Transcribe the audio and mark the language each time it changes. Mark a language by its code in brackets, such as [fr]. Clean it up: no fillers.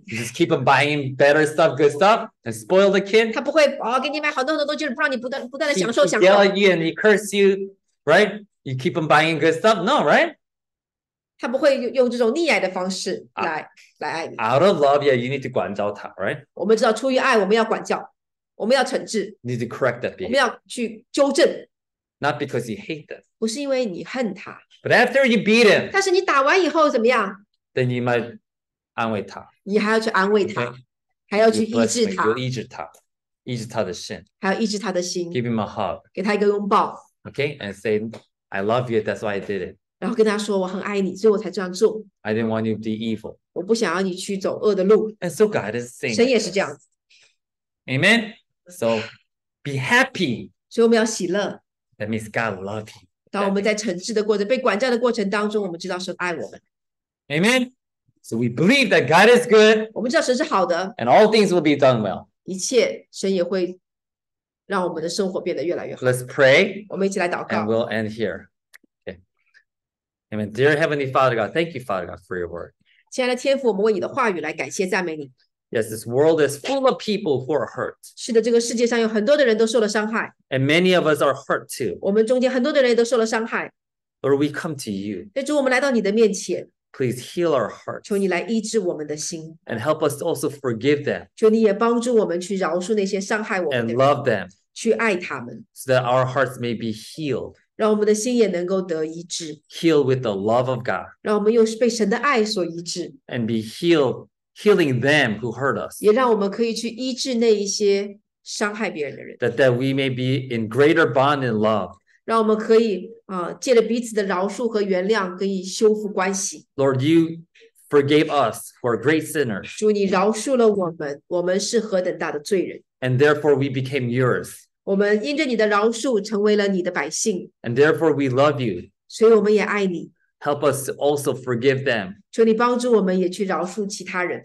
[en] You just keep on buying better stuff, good stuff, and spoil the kid. [zh] 他不会给你买好多好多东西，不让你不断的享受享受。 [en] He yell at you and he curse you, right? You keep on buying good stuff, no, right? [zh] 他不会用这种溺爱的方式来爱你。 [en] Out of love, yeah, you need to [zh] 管教他, [en] right? [zh] 我们知道出于爱，我们要管教，我们要惩治。 [en] Need to correct that behavior. [zh] 我们要去纠正。 [en] Not because you hate them. [zh] 不是因为你恨他。 [en] But after you beat him, [zh] 但是你打完以后怎么样? [en] Then you might [zh] 安慰他。你还要去安慰他。 [en] Okay? [zh] 还要去医治他。 [en] You bless him, you'll [zh] 医治他。医治他的心。还要医治他的心。 [en] Give him a hug. [zh] 给他一个拥抱。 [en] Okay, and say, I love you, that's why I did it. [zh] 然后跟他说我很爱你，所以我才这样做。 [en] I didn't want you to be evil. [zh] 我不想要你去走恶的路。 [en] And so God is saying, [zh] 神也是这样子。 [en] Amen? So, be happy. [zh] 所以我们要喜乐。 [en] That means God loves you. [zh] 当我们在惩治的过程、被管教的过程当中，我们知道神爱我们。 [en] Amen. So we believe that God is good. [zh] 我们知道神是好的。 [en] And all things will be done well. [zh] 一切神也会让我们的生活变得越来越好。 [en] Let's pray. [zh] 我们一起来祷告。 [en] And we'll end here. Okay. Amen. Dear Heavenly Father God, thank you, Father God, for your word. [zh] 亲爱的天父，我们为你的话语来感谢赞美你。 [en] Yes, this world is full of people who are hurt. [zh] 是的，这个世界上有很多的人都受了伤害。 [en] And many of us are hurt too. [zh] 我们中间很多的人都受了伤害。 [en] Lord, we come to you. [zh] 主，我们来到你的面前。 [en] Please heal our hearts. [zh] 求你来医治我们的心。 [en] And help us also forgive them. [zh] 求你也帮助我们去饶恕那些伤害我们的人。 [en] And love them. [zh] 去爱他们。 [en] So that our hearts may be healed. [zh] 让我们的心也能够得医治。 [en] Healed with the love of God. [zh] 让我们又被神的爱所医治。 [en] And be healed. Healing them who hurt us. [zh] 也让我们可以去医治那一些伤害别人的人。 [en] That we may be in greater bond in love. [zh] 让我们可以借着彼此的饶恕和原谅，可以修复关系。 [en] Lord, you forgave us who are great sinners. [zh] 主，你饶恕了我们，我们是何等大的罪人。 [en] And therefore we became yours. [zh] 我们因着你的饶恕，成为了你的百姓。 [en] And therefore we love you. [zh] 所以我们也爱你。 [en] Help us to also forgive them. [zh] 求你帮助我们也去饶恕其他人。